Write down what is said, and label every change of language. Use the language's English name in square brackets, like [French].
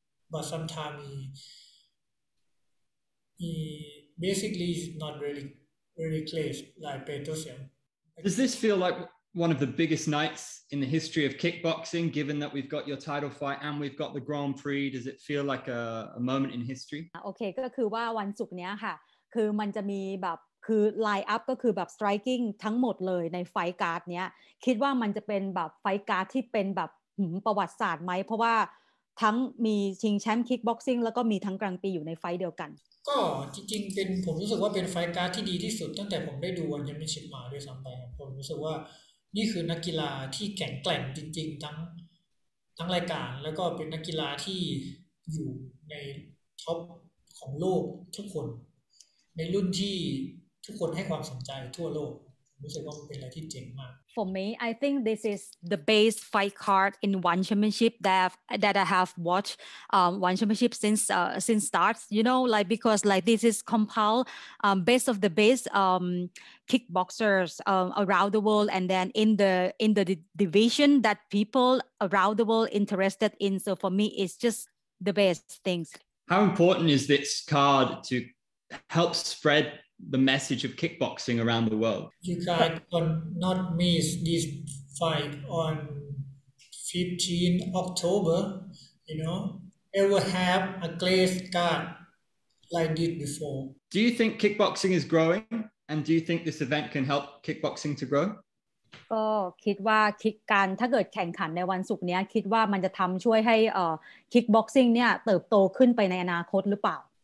[English] But sometimes he basically is not really really close like Petrosian. Does this feel like one of the biggest nights in the history of kickboxing, given that we've got your title fight and we've got the Grand Prix? Does it feel like a moment in history? [Thai] Okay, ก็คือว่าวันศุกร์เนี้ยค่ะคือมันจะมีแบบคือ line up ก็คือแบบ striking ทั้งหมดเลยในไฟการ์ดเนี้ยคิดว่ามันจะเป็นแบบไฟการ์ดที่เป็นแบบประวัติศาสตร์ไหมเพราะว่าทั้งมีชิงแชมป์คิกบ็อกซิ่งแล้วก็มีทั้งกลางปีอยู่ในไฟเดียวกัน ก็จริงๆเป็นผมรู้สึกว่าเป็นไฟการ์ดที่ดีที่สุดตั้งแต่ผมได้ดูวันยังไม่ชิมมาด้วยซ้ำไปผมรู้สึกว่านี่คือนักกีฬาที่แข็งแกร่งจริงๆทั้งรายการแล้วก็เป็นนักกีฬาที่อยู่ในท็อปของโลกทุกคนในรุ่นที่ทุกคนให้ความสนใจทั่วโลกผมรู้สึกว่าเป็นอะไรที่เจ๋งมาก [English] For me I think this is the best fight card in ONE Championship that I have watched ONE Championship since starts you know like because like this is compiled best of the best kickboxers around the world and then in the division that people around the world interested in so for me it's just the best things How important is this card to help spread the message of kickboxing around the world you guys could not miss this fight on 15 October you know ever have a great card like this before do you think kickboxing is growing and do you think this event can help kickboxing to grow [Thai] ก็คิดว่าคิกการถ้าเกิดแข่งขันในวันศุกร์เนี้ยคิดว่ามันจะทําช่วยให้คิกบ็อกซิ่งเนี่ยเติบโตขึ้นไปในอนาคตหรือเปล่า